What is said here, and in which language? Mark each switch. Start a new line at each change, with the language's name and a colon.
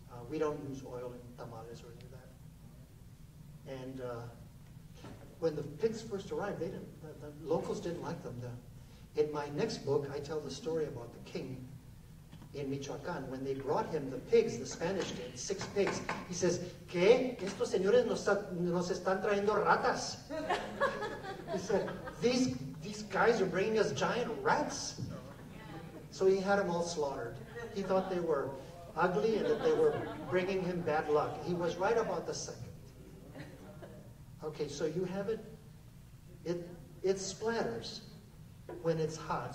English: We don't use oil in tamales or any of that. And when the pigs first arrived, the locals didn't like them. In my next book, I tell the story about the king in Michoacán. When they brought him the pigs, the Spanish did, 6 pigs.
Spanish: He says, ¿Qué? Estos señores nos están trayendo ratas.
English: He said, these guys are bringing us giant rats. So he had them all slaughtered. He thought they were ugly and that they were bringing him bad luck. He was right about the second. Okay, so you have it splatters when it's hot.